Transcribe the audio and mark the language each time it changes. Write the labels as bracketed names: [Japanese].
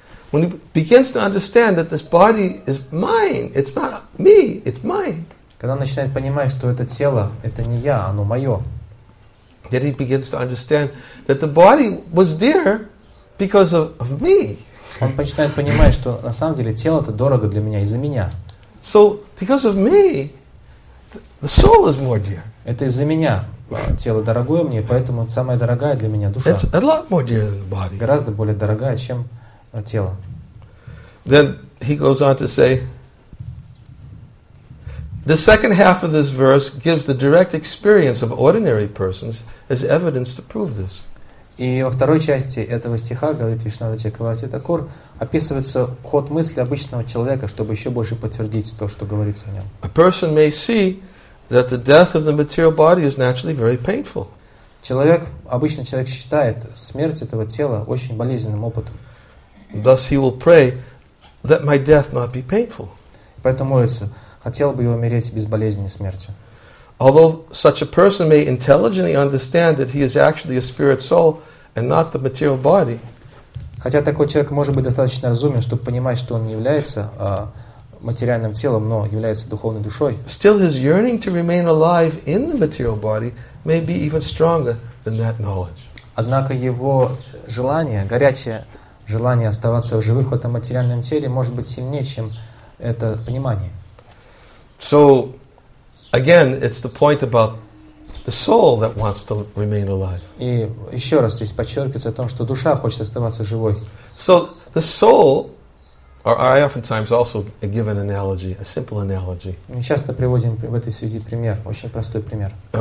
[English] When he begins to understand that this body is mine, it's not me, it's mine. [Russian] Когда он начинает понимать, что это тело, это не я, оно мое. [English] Then he begins to understand that the body was dear because of me. [Russian] Он начинает понимать, что на самом деле тело это дорого для меня из-за меня. [English] So because of me, the soul is more dear. [Russian] Это из-за меня тело дорогое мне, поэтому самая дорогая для меня душа. [English] It's a lot more dear than the body. [Russian] Гораздо более дорогая, чем тело. [English] Then he goes on to say, the second half of this verse gives the direct experience of ordinary persons as evidence to prove this. [Russian] И во второй части этого стиха, говорит Вишнава Чакраварти Такур, описывается ход мысли обычного человека, чтобы еще больше подтвердить то, что говорится о нем. [English] A person may see that the death of the material body is naturally very painful. [Russian] Человек, обычный человек считает смерть этого тела очень болезненным опытом. [English] Thus he will pray that my death not be painful. [Russian] Поэтому молится, хотел бы я умереть без болезненной смерти. [English] Although such a person may intelligently understand that he is actually a spirit soul and not the material body. [Russian] Хотя такой человек может быть достаточно разумен, чтобы понимать, что он не является материальным телом, но является духовной душой. [English] Still his yearning to remain alive in the material body may be even stronger than that knowledge. [Russian] Однако его желание, горячее желание оставаться в живых в этом материальном теле может быть сильнее, чем это понимание. [English] So again, it's the point about the soul that wants to remain alive. [Russian] И еще раз здесь подчеркивается о том, что душа хочет оставаться живой. [English] So the soul, or I oftentimes also give an analogy, a simple analogy. [Russian] Мы часто приводим в этой связи пример, очень простой пример.